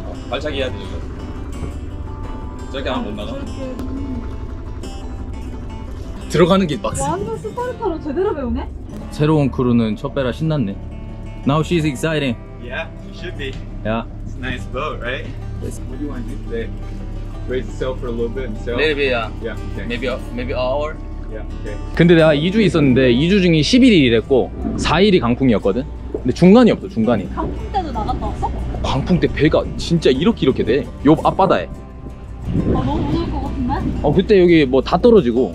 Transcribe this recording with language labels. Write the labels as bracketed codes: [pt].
[ko] 발차기 해야 되죠. 저렇게 하면 못 나가. 들어가는 게 막스. 완전 스파르타로 제대로 배우네. 새로운 크루는 첫 배라 신났네. [en] Now she's exciting. Yeah, she should be. Yeah. It's a nice boat, right? Yes. What do you want to do today? Raise the sail for a little bit. Sail? Maybe, yeah. Yeah, okay. Maybe an hour. Yeah, okay. [ko] 근데 내가 2주 있었는데 2주 중에 11일 일했고 4일이 강풍이었거든? 근데 중간이 없어, 중간이. 강풍 때도 나갔다 왔어? 강풍 때 배가 진짜 이렇게 돼. 요 앞바다에. 아, 너무 무서울 것 같은데? 어, 그때 여기 뭐 다 떨어지고